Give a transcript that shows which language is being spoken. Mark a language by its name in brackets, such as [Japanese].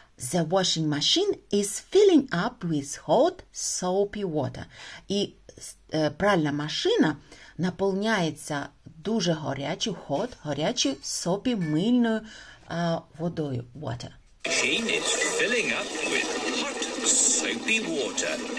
[English] The washing machine is filling up with hot soapy water. [Ukrainian] І пральна машина наповняється дуже гарячою, [English] hot, [Ukrainian] гарячою, [English] soapy, [Ukrainian] мильною водою. [English] Water. Machine is filling up with hot soapy water.